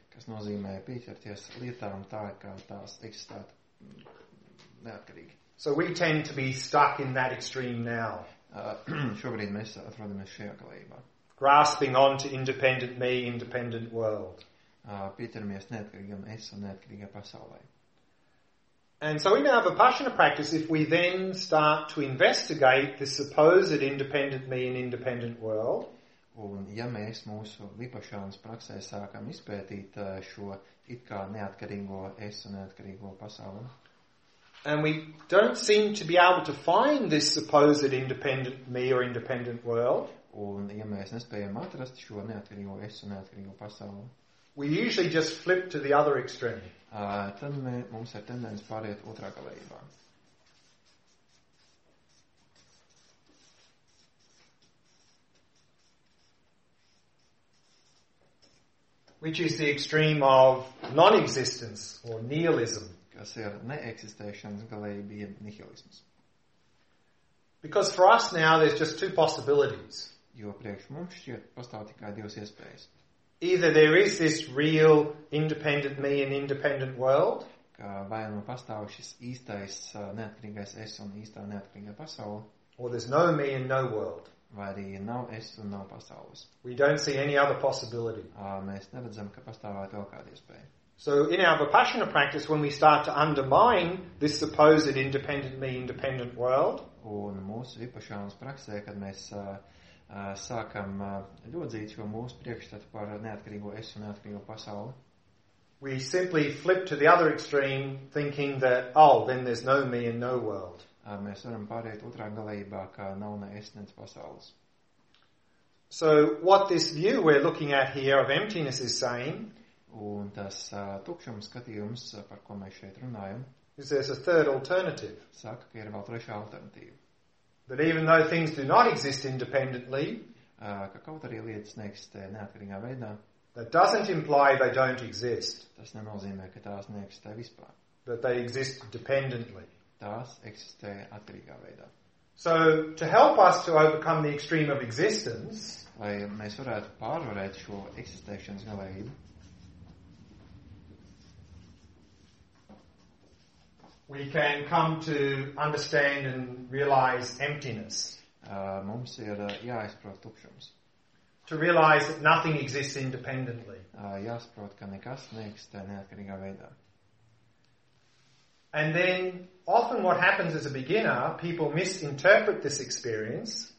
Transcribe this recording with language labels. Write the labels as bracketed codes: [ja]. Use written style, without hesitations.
[lv] Kas nozīmē pieķerties lietām tā, kā tās eksistētu neatkarīgi. [en] So we tend to be stuck in that extreme now. [lv] Šobrīd mēs atrodamies šajā galībā. [en] Grasping onto independent me, independent world. [lv] Pieķeramies neatkarīgam es un neatkarīgā pasaulē. [en] And so in our vipassana practice, if we then start to investigate the supposed independent me and independent world, [lv] un ja mēs mūsu vipassanas praksē sākam izpētīt šo it kā neatkarīgo es un neatkarīgo pasauli, [en] and we don't seem to be able to find this supposed independent me or independent world, [lv] un ja mēs nespējam atrast šo neatkarīgo es un neatkarīgo pasauli, [en] we usually just flip to the other extreme. [lv] Tad mums ir tendence pāriet otrā galējībā. [en] Which is the extreme of non-existence or nihilism. [lv] Kas ir neeksistēšanas galējība, jeb nihilisms. [en] Because for us now there's just two possibilities. [lv] Jo priekš mums šķiet pastāv tikai divas iespējas. [en] Either there is this real independent me and independent world, [lv] vai nu pastāv šis īstais neatkarīgais es un īstā neatkarīgā pasaule, [en] or there's no me and no world, [lv] vai arī nav es un nav pasaules. [en] We don't see any other possibility. [lv] Mēs neredzam, ka pastāvētu vēl kāda iespēja. [en] So in our vipassana practice, when we start to undermine this supposed independent me, independent world, [lv] un mūsu vipassanas praksē, kad mēs sākam ļodzīt šo mūsu priekšstatu par neatkarīgo es un neatkarīgo pasauli, [en] we simply flip to the other extreme thinking that, oh, then there's no me and no world. [lv] Mēs varam pārēt otrā galējībā, ka nav ne es, nec pasaules. [en] So what this view we're looking at here of emptiness is saying, [lv] un tas tukšuma skatījums, par ko mēs šeit runājam, [en] is there's a third alternative. [lv] Saka, ka ir vēl trešā alternatīva. [en] That even though things do not exist independently, [lv] ka kaut arī lietas neeksistē neatkarīgā veidā, [en] that doesn't imply they don't exist. [lv] Tas nenozīmē, ka tās neeksistē vispār. [en] But they exist dependently. [lv] Tās eksistē atkarīgā veidā. [en] So, to help us to overcome the extreme of existence, [lv] lai mēs varētu pārvarēt šo eksistēšanas galējību, [en] we can come to understand and realize emptiness. [lv] Mums ir jāizprot tukšums. [en] To realize that nothing exists independently. [lv] Jāsprot, ka nekas neeksistē neatkarīgā veidā. [en] And then, often what happens as a beginner, people misinterpret this experience.